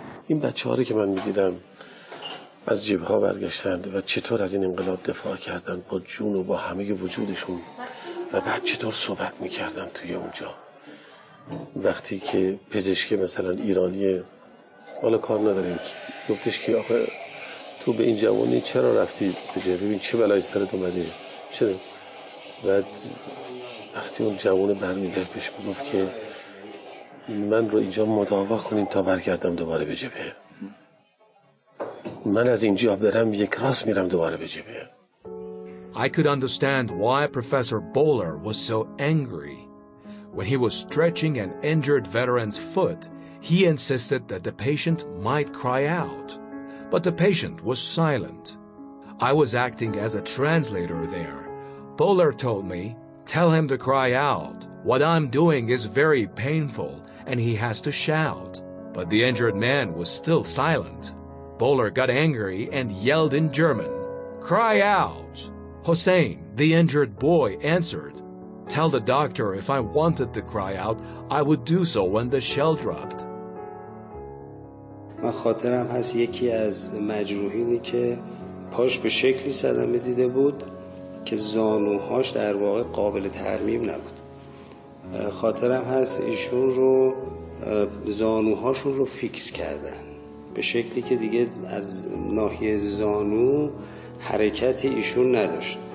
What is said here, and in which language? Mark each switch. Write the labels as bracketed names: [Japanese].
[Persian] این بچه هاری که من میدیدم از جبهه ها برگشتند و چطور از این انقلاب دفاع کردن با جون و با همه وجودشون، و بعد چطور صحبت میکردن توی اونجا، وقتی که پزشکی مثلا ایرانیه حالا کار نداریم گفتش که آخه تو به این جوانی چرا رفتی به جبهه، ببین چه بلای سرت اومده. چرا؟ بعد وقتی اون جوان برمیگرد بهش میگفت که من رو اینجا مداوا کنین تا برگردم دوباره به جبهه، من از اینجا برم یک راست میرم دوباره به جبهه. [English] I could understand why Professor Bowler was so angry. When he was stretching an injured veteran's foot, he insisted that the patient might cry out. But the patient was silent. I was acting as a translator there. Bowler told me, tell him to cry out. What I'm doing is very painful and he has to shout. But the injured man was still silent. Bowler got angry and yelled in German, cry out. Hossein, the injured boy, answered, tell the doctor if I wanted to cry out, I would do so when the shell dropped. [Persian] من خاطرم هست یکی از مجروحینی که پاش به شکلی صدمه دیده بود که زانوهاش در واقع قابل ترمیم نبود. خاطرم هست ایشون رو زانوهاشون رو فیکس کردن به شکلی که دیگه از ناحیه زانو حرکت ایشون نداشت.